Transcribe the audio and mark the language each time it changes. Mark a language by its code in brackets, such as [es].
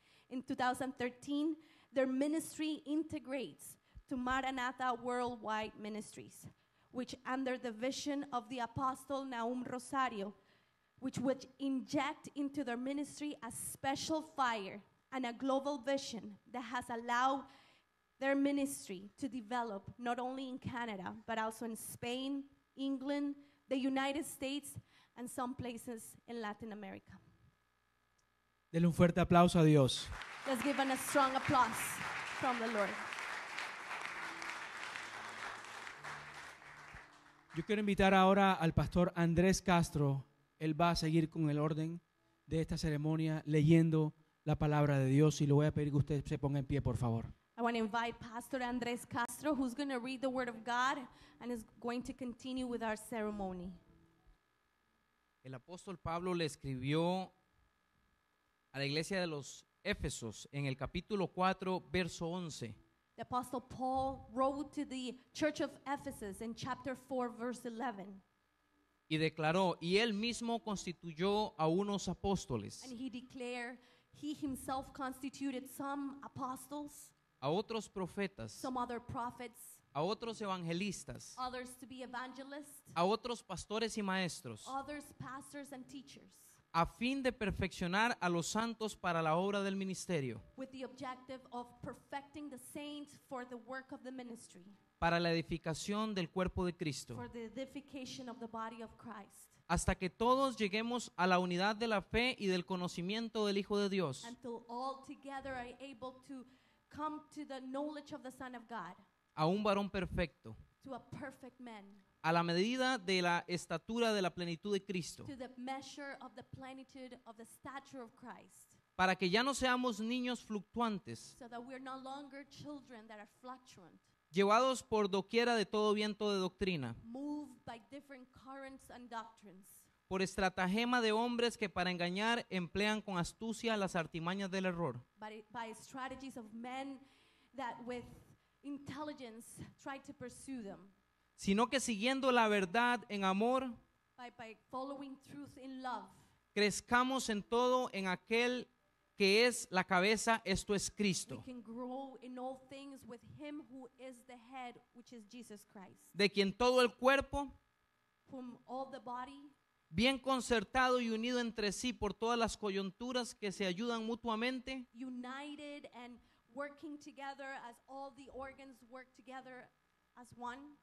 [en] In 2013, their ministry integrates to Maranatha Worldwide Ministries, which under the vision of the Apostle Nahum Rosario, which would inject into their ministry a special fire and a global vision that has allowed their ministry to develop not only in Canada, but also in Spain, England, the United States, and some places in Latin America. [es] Denle un fuerte aplauso a Dios. [en] Let's give a strong applause from the Lord. [es] Yo quiero invitar ahora al pastor Andrés Castro. Él va a seguir con el orden de esta ceremonia leyendo la palabra de Dios y le voy a pedir que usted se ponga en pie, por favor. [en] I want to invite Pastor Andrés Castro, who's going to read the word of God and is going to continue with our ceremony. [es] El apóstol Pablo le escribió a la iglesia de los Éfesos en el capítulo 4, verso 11. [en] The apostle Paul wrote to the church of Ephesus in chapter 4, verse 11. [es] Y declaró, y él mismo constituyó a unos apóstoles. [en] And he declared, he himself constituted some apostles. [es] A otros profetas. [en] Some other prophets. [es] A otros evangelistas. [en] Others to be evangelists. [es] A otros pastores y maestros. [en] Others pastors and teachers. [es] A fin de perfeccionar a los santos para la obra del ministerio. [en] With the objective of perfecting the saints for the work of the ministry. [es] para la edificación del cuerpo de Cristo. [en] For the edification of the body of Christ. [es] Hasta que todos lleguemos a la unidad de la fe y del conocimiento del Hijo de Dios. [en] Until all together are able to come to the knowledge of the Son of God. [es] A un varón perfecto. [en] To a perfect man. [es] A la medida de la estatura de la plenitud de Cristo. [en] To the measure of the plenitude of the stature of Christ. [es] Para que ya no seamos niños fluctuantes. [en] So that we are no longer children that are fluctuant. [es] Llevados por doquiera de todo viento de doctrina. [en] Moved by different currents and doctrines. [es] Por estratagema de hombres que para engañar emplean con astucia las artimañas del error. [en] By strategies of men that with intelligence try to pursue them. [es] Sino que siguiendo la verdad en amor. [en] By following truth in love. [es] Crezcamos en todo en aquel que es la cabeza, esto es Cristo. [en] We can grow in all things with him who is the head, which is Jesus Christ. [es] De quien todo el cuerpo, [en] whom all the body, [es] bien concertado y unido entre sí por todas las coyunturas que se ayudan mutuamente, [en] united and working together as all the organs work together as one,